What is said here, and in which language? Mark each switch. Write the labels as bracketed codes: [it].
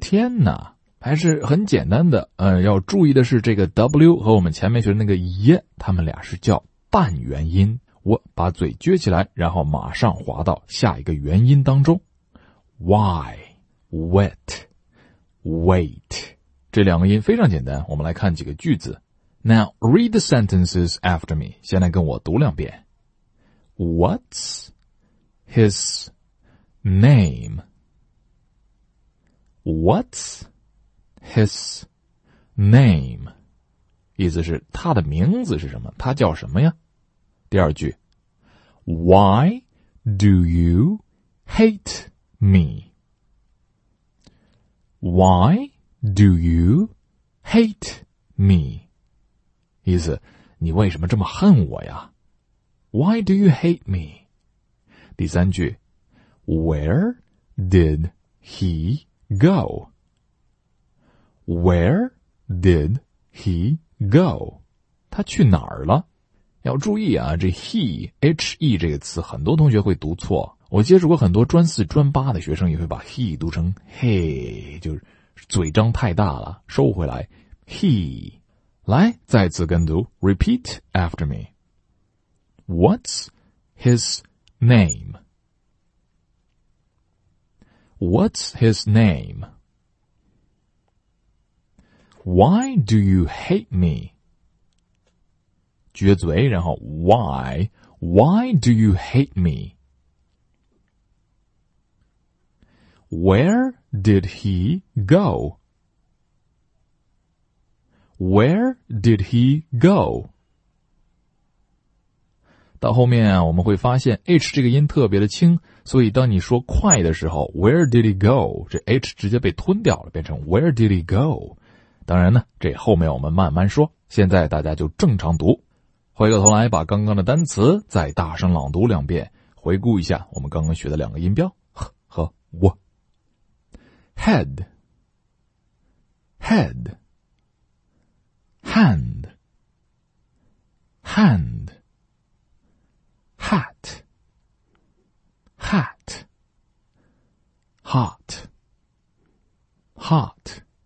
[zh] 天哪，还是很简单的。要注意的是这个 W 和我们前面学的那个 耶 他们俩是叫半元音，我把嘴撅起来然后马上滑到下一个元音当中。 [en] Why Wet Wait [zh] 这两个音非常简单，我们来看几个句子。 [en] Now read the sentences after me， [zh] 先来跟我读两遍。 [en] What's his name？ What'sHis name [zh] 意思是他的名字是什么，他叫什么呀。第二句， [en] Why do you hate me? Why do you hate me? [zh] 意思你为什么这么恨我呀。 [en] Why do you hate me? [zh] 第三句， [en] Where did he go? Where did he go? [zh] 他去哪儿了？要注意啊，这 he 这个词很多同学会读错。我接触过很多专四专八的学生也会把 he 读成 hey， 就是嘴张太大了，收回来 he。来，再次跟读 , [en] repeat after me. What's his name? What's his name? Why do you hate me? [zh] 撅嘴，然后 [en] why? Why do you hate me? Where did he go? Where did he go? [zh] 到后面我们会发现 H 这个音特别的轻，所以当你说快的时候 [en] Where did he go? [zh] 这 H 直接被吞掉了，变成 [en] Where did he go? [zh] 当然呢，这后面我们慢慢说，现在大家就正常读。回过头来把刚刚的单词再大声朗读两遍，回顾一下我们刚刚学的两个音标 H 和 W。 [en] Head Head Hand, hand, hat, hat, hot, hot,